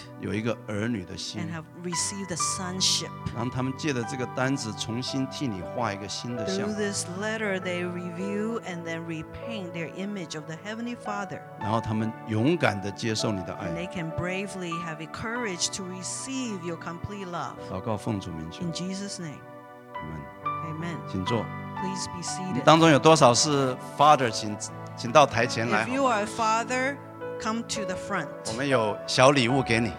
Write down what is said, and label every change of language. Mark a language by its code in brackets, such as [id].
[zh] 有一个儿女的心 [en] And have received the sonship [zh] 让他们借着这个单子重新替你画一个新的像 [en] Through this letter they review and then repaint their image of the heavenly father [zh] 然后他们勇敢地接受你的爱 [en] And they can bravely have the courage to receive your complete love [zh] 祷告奉主名求 [en] In Jesus name Amen Amen [zh] 请坐 [en] Please be seated [zh] 当中有多少是 father 请请到台前来。 [en] If you are a father, come to the front. [zh] 我们有小礼物给你。